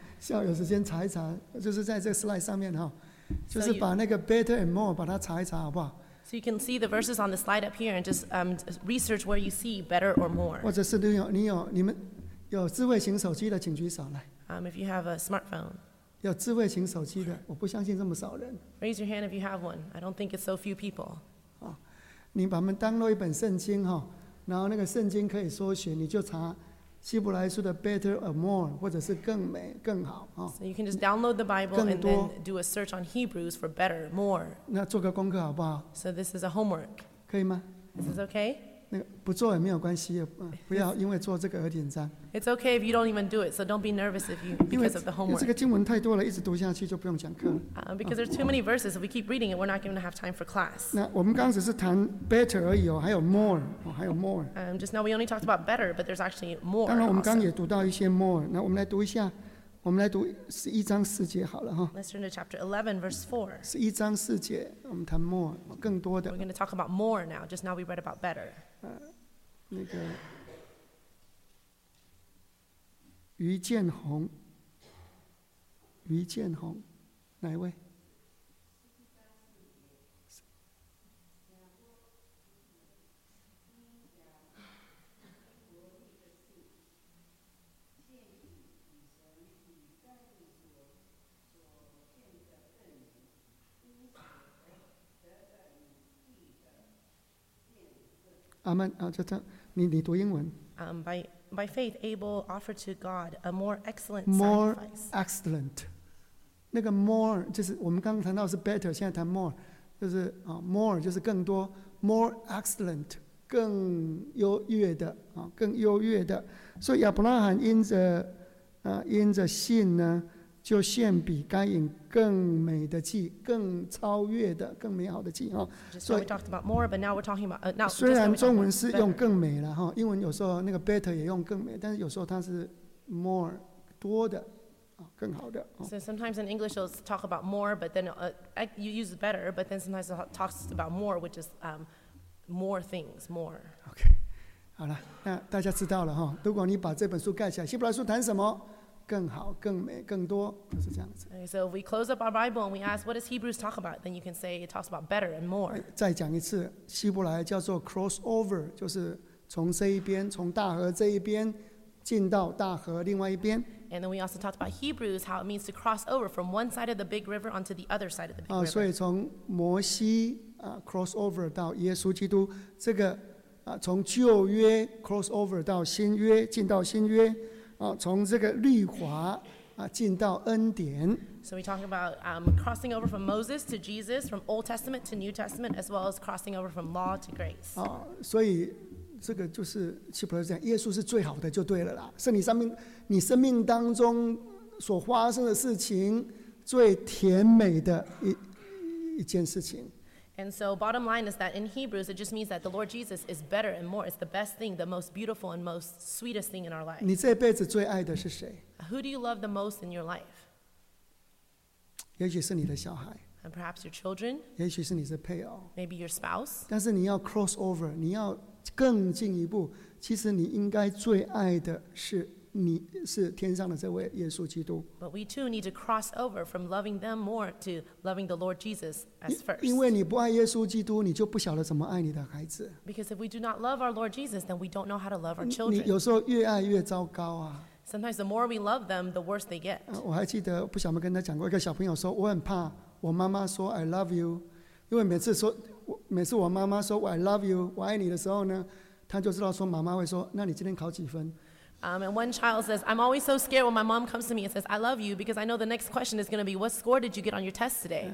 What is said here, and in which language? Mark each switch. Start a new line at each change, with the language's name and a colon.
Chinese: 下午有时间查一查，就是在这个 slide 上面、啊、就是把那个
English: better and more
Chinese: 把它查一查，好不好？
English: So you can see the verses on the slide up here and just research where you see better or more.
Chinese: 或者是你们。有智慧型手机的请举手来。
English: If you have a smartphone.
Chinese: 有智慧型手机的，我不相信这么少人。
English: Raise your hand if you have one. I don't think it's so few people.
Chinese: 哦，你把它们download一本圣经哈、哦，然后那个圣经可以搜寻，你就查希伯来书的
English: better or more，
Chinese: 或者是更美更好啊、
English: 哦。So you can just download the Bible and then do a search on Hebrews for better, more.
Chinese: 那做个功课好不好
English: ？So this is a homework.
Chinese: 可以吗
English: ？This is okay.
Chinese: 不做也没有关系，不要因为做这个而紧张。
English: It's okay if you don't even do it, so don't be nervous if you because of the homework.
Chinese: 因为这个经文太多了，一直读下去就不用讲课了。
English: Because there's too many verses, if we keep reading it, we're not going to have time for class.
Chinese: 那我们刚只是谈 better 而已哦，还有 more， 还有 more。
English: Just now we only talked about better, but there's actually more.
Chinese: 当然我们刚也读到一些 more， 那我们来读一下，我们来读十一章四节好了哈。
English: Let's turn to chapter 11, verse 4.
Chinese: 十一章四节，我们谈 more， 更多的。
English: We're going to talk about more now. Just now we read about better.
Chinese: 那个于建宏，于建宏，哪一位？阿门啊！这这，你读英文。
English: By faith Abel offered to God a more excellent sacrifice. More excellent，
Chinese: 那个 more 就是我们刚刚谈到是 better， 现在谈 more， 就是啊 more 就是更多 ，
English: more excellent
Chinese: 更优越的啊更优越的。所以亚伯拉罕因着信呢，就献比该隐更美的祭，更超越的，更美好的祭哈。
English: 所以 we talked about more, but now we're talking about now.
Chinese: 虽然中文是用更美了哈，英文有时候那个 better 也用更美，但是有时候它是 more 多的啊，更好的。
English: So sometimes in English it'll talk about more, but then you use better, but then sometimes it talks about more, which is more things, more.
Chinese: Okay， 好了，那大家知道了哈。如果你把这本书盖起来，希伯来书谈什么？更好、更美、更多，就是这样子。
English: Okay, so if we close up our Bible and we ask, what does Hebrews talk about? Then you can say it talks about better and more.
Chinese: 再讲一次，希伯来叫做 crossover， 就是从这一边，从大河这一边进到大河另外一边。
English: And then we also talked about Hebrews, how it means to cross over from one side of the big river onto the other side of the big river.
Chinese: 所以从摩西crossover 到耶稣基督，这个从旧约 crossover 到新约，进到新约。从这个律法进到恩典。
English: So we're talking about crossing over from Moses to Jesus, from Old Testament to New Testament, as well as crossing over from law to grace.
Chinese: 所以这个就是希伯来讲，耶稣是最好的就对了啦。是你生命，你生命当中所发生的事情最甜美的 一件事情。
English: And so bottom line is that in Hebrews, it just means that the Lord Jesus is better and more. It's the best thing, the most beautiful and most sweetest thing in our life.
Chinese: 你这辈子最爱的是谁？
English: Who do you love the most in your life?
Chinese: 也许是你的小孩。
English: And perhaps your children.
Chinese: 也许是你的配偶。
English: Maybe your spouse.
Chinese: 但是你要 cross over, 你要更进一步。其实你应该最爱的是你是天上的这位耶稣基督。
English: But we too need to cross over from loving them more to loving the Lord Jesus as first.
Chinese: 因为你不爱耶稣基督，你就不晓得怎么爱你的孩子。
English: Because if we do not love our Lord Jesus, then we don't know how to love our children.
Chinese: 你有时候越爱越糟糕啊。
English: Sometimes the more we love them, the worse they get.
Chinese: 我还记得，不晓得跟他讲过，一个小朋友说，我很怕我妈妈说
English: I love you，
Chinese: 因为每次我妈妈说 I love you， 我爱你的时候呢，他就知道说妈妈会说，那你今天考几分？
English: And one child says, I'm always so scared when my mom comes to me and says, I love you, because I know the next question is going to be, what score did you get on your test today?